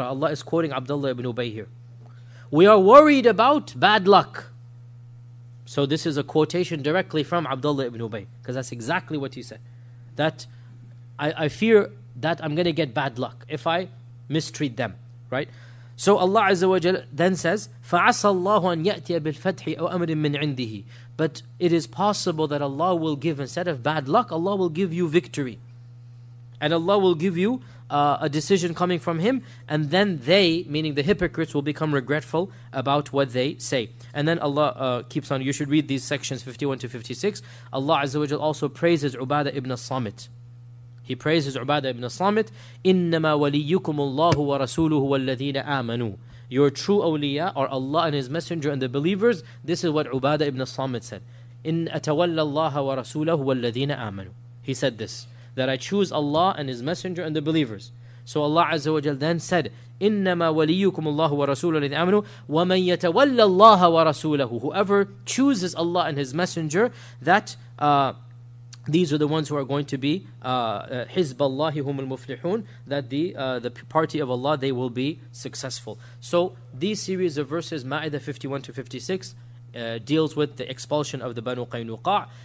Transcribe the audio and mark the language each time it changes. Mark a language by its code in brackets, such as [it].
[en] Allah is quoting Abdullah ibn Ubay here. We are worried about bad luck. So this is a quotation directly from Abdullah ibn Ubay, because that's exactly what he said. That I fear that I'm going to get bad luck if I mistreat them, right? So Allah Azza wa Jal then says, [ar] فَعَسَى اللَّهُ أَن يَأْتِيَ بِالْفَتْحِ أَوْ أَمْرٍ مِّنْ عِنْدِهِ. [en] But it is possible that Allah will give, instead of bad luck, Allah will give you victory. And Allah will give you a decision coming from Him. And then they, meaning the hypocrites, will become regretful about what they say. And then Allah keeps on, you should read these sections 51 to 56. Allah Azza wa Jal also praises Ubadah ibn Samit. He praises Ubadah ibn Samit. [ar] إِنَّمَا وَلِيُّكُمُ اللَّهُ وَرَسُولُهُ وَالَّذِينَ آمَنُوا. [en] Your true awliya are Allah and His Messenger and the believers. This is what Ubadah ibn Samit said. [ar] إِنْ أَتَوَلَّ اللَّهَ وَرَسُولَهُ وَالَّذِينَ آمَنُوا. [en] He said this, that I choose Allah and His Messenger and the believers. So Allah Azza wa Jal then said, [ar] إِنَّمَا وَلِيُّكُمُ اللَّهُ وَرَسُولُهُ الَّذِينَ آمَنُوا وَمَنْ يَتَوَلَّ اللَّهَ وَرَسُولَهُ. [en] Whoever chooses Allah and His Messenger, that these are the ones who are going to be [ar] حِزْبَاللَّهِ هُمُ الْمُفْلِحُونَ, [en] that the party of Allah, they will be successful. So these series of verses, Ma'idah 51 to 56, deals with the expulsion of the Banu Qaynuqa'.